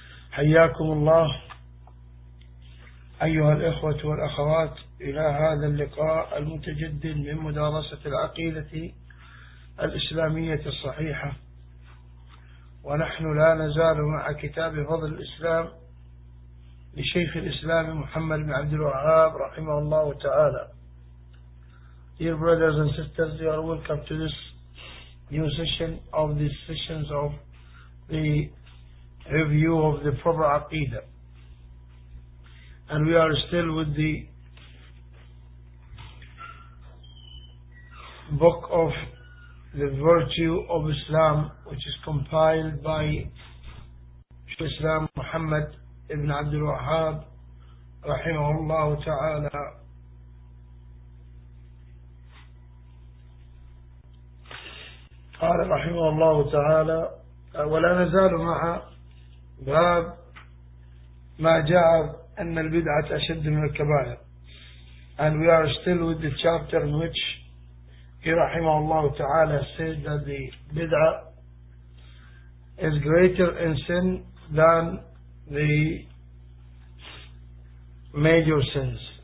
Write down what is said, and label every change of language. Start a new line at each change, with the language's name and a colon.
Arabic: حياكم الله أيها الإخوة والأخوات إلى هذا اللقاء المتجدد من مدارسة العقيدة الإسلامية الصحيحة، ونحن لا نزال مع كتاب فضل الإسلام لشيخ الإسلام محمد بن عبد الوهاب رحمه الله تعالى.
English: Dear brothers and sisters, you are welcome to this new session of the sessions of the review of the proper Aqidah. And we are still with the book of the virtue of Islam, which is compiled by Shaykh Islam Muhammad ibn Abdul Wahhab rahimahullah ta'ala.
Arabic: قال رحمه الله تعالى: ولا نزال مع باب ما جاء أن البدعة أشد من الكبائر.
English: And we are still with the chapter in which he
Arabic: رحمه الله تعالى
English: said that the بدعة is greater in sin than the major sins.